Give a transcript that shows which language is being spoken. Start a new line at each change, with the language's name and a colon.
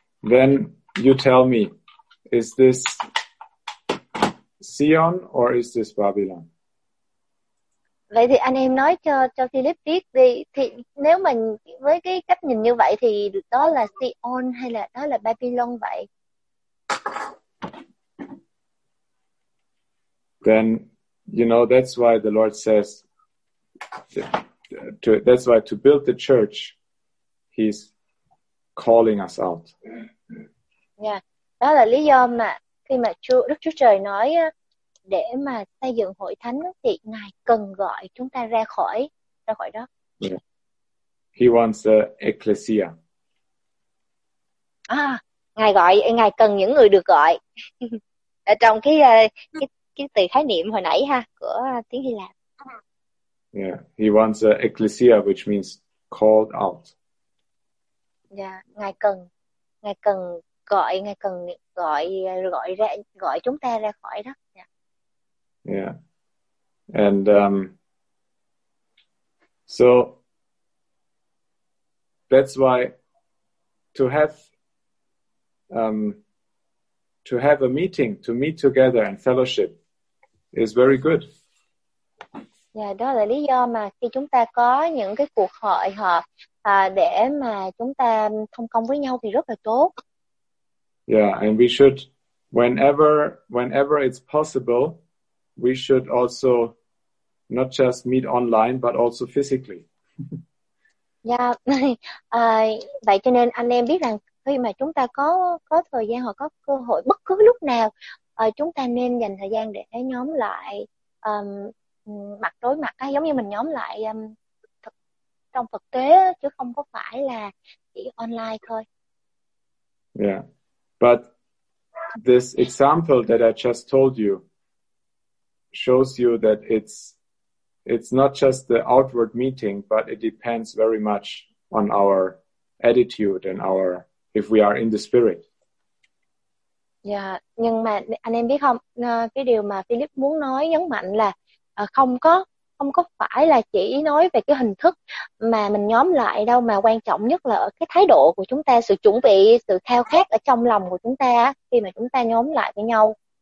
English: Then you tell me, is this Sion or is this Babylon?
Vietnamese: Vậy thì anh em nói cho Philip biết đi, thì nếu mà với cái cách nhìn như vậy thì đó là Sion hay là đó là Babylon vậy?
English: Then, you know, that's why the Lord says that's why to build the church, he's calling us out. Yeah.
Vietnamese: Đó là lý do mà khi mà Đức Chúa Trời nói để mà xây dựng hội thánh thì Ngài cần gọi chúng ta ra khỏi đó.
English: Yeah. He wants the ecclesia.
Vietnamese: À, Ngài cần những người được gọi. Ở trong cái từ khái niệm hồi nãy ha của tiếng Hy Lạp.
English: Yeah, he wants an ecclesia, which means called out.
Vietnamese: Yeah, ngài cần gọi chúng ta ra khỏi đó.
English: Yeah. Yeah, and so that's why to have a meeting, to meet together and fellowship, is very good.
Vietnamese: Yeah, đó là lý do mà khi chúng ta có những cái cuộc hội họp để mà chúng ta thông công với nhau thì rất là tốt.
English: Yeah, and we should whenever it's possible, we should also not just meet online but also physically. Yeah.
Vietnamese: Vậy cho nên anh em biết rằng khi mà chúng ta có thời gian hoặc có cơ hội bất cứ lúc nào, chúng ta nên dành thời gian để nhóm lại mặt đối mặt, giống như mình nhóm lại trong thực tế chứ không có phải là chỉ online thôi.
English: Yeah, but this example that I just told you shows you that it's not just the outward meeting, but it depends very much on our attitude and our if we are in the spirit.
Vietnamese: Yeah, nhưng mà anh em biết không, cái điều mà Philip muốn nói nhấn mạnh là không có phải là chỉ nói về cái hình thức mà mình nhóm lại đâu, mà quan trọng nhất là ở cái thái độ của chúng ta, sự chuẩn bị, sự khao khát ở trong lòng của chúng ta khi mà chúng ta nhóm lại với nhau.